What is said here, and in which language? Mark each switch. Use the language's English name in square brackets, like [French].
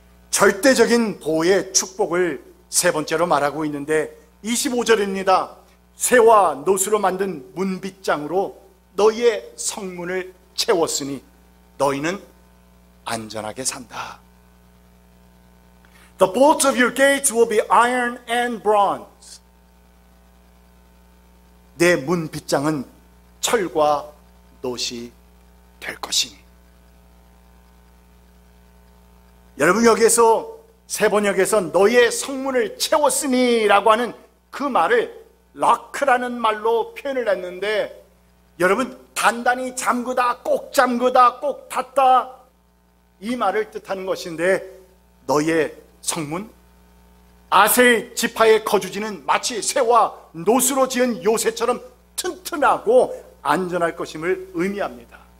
[Korean] 절대적인 보호의 축복을 세 번째로 말하고 있는데 25절입니다. 쇠와 노수로 만든 문빗장으로 너희의 성문을 채웠으니 너희는 안전하게 산다. [English] The bolts of your gates will be iron and bronze. [Korean] 내 문 빗장은 철과 놋이 될 것이니. 여러분, 여기에서 새 번역에서 너희의 성문을 채웠으니 라고 하는 그 말을 락크라는 말로 표현을 했는데, 여러분, 단단히 잠그다, 꼭 잠그다, 꼭 닫다, 이 말을 뜻하는 것인데, 너희의 성문, 아셀 지파의 거주지는 마치 새와 노스로 지은 요새처럼 튼튼하고 안전할 것임을 의미합니다.